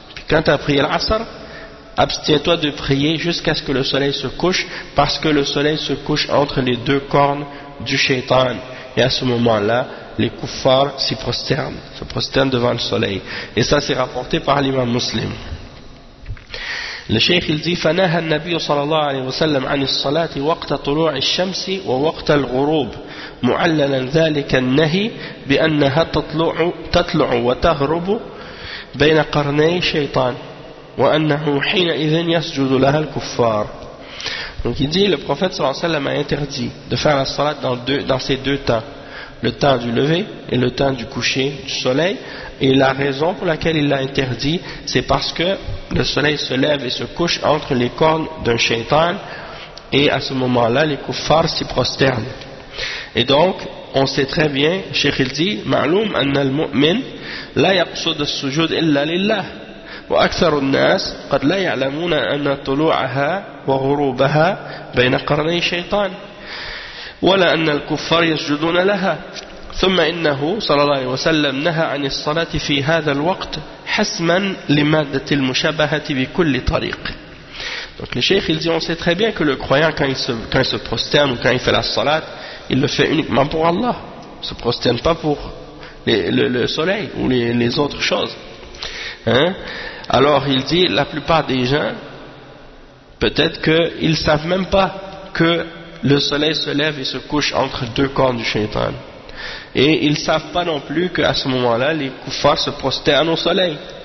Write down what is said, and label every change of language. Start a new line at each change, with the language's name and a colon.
French: Puis, quand tu as prié Al-Asr, abstiens-toi de prier jusqu'à ce que le soleil se couche, parce que le soleil se couche entre les deux cornes du shaitan. Et à ce moment-là, les kuffars s'y prosternent, se prosternent devant le soleil. Et ça, c'est rapporté par l'imam muslim. Le cheikh, il dit,
Arabic: فَنَهَا النَّبِيُّ صَلَى اللَّهُ عَلَيْهِ وَسَلَّمْ عَنِ الصَّلَاةِ وَقْتَ طُلُوعِ الشَّمْسِ وَوَقْتَ الْغُرُوبِ مُعَلَّلًا ذَلِكَ النَّهِي بِأَنَّهَا تَطْلُعُ وَتَهْرُبُ بَيْنَ قَرْنَيْ شَيْطَانِ وَأَنَّهُ حِينَئِذٍ يَسْجُدُ لَهَا الْكُفَّارِ.
French: Donc il dit, le prophète sallallahu alayhi wa sallam a interdit de faire la salat dans ces deux temps, le temps du lever et le temps du coucher du soleil. Et la raison pour laquelle il l'a interdit, c'est parce que le soleil se lève et se couche entre les cornes d'un shaitan, et à ce moment-là, les kuffars s'y prosternent. Et donc, on sait très bien, Cheikh il dit,
Arabic: معلوم أن المؤمن لا يقصد السجود إلا لله. وأكثر الناس قد لا يعلمون أن طلوعها وغروبها بين قرني شيطان ولا أن الكفار يسجدون لها. ثم إنه صلى الله عليه وسلم نهى عن الصلاة في هذا الوقت حسما لمادة المشابهة بكل طريق.
French: Donc le cheikh, il dit, on sait très bien que le croyant, quand il se prosterne ou quand il fait la salat, il le fait uniquement pour Allah. Il se prosterne pas pour le soleil ou les autres choses. Hein? Alors il dit, la plupart des gens, peut-être qu'ils ne savent même pas que le soleil se lève et se couche entre deux cornes du shaitan, et ils ne savent pas non plus qu'à ce moment-là les kuffars se prosternent au soleil.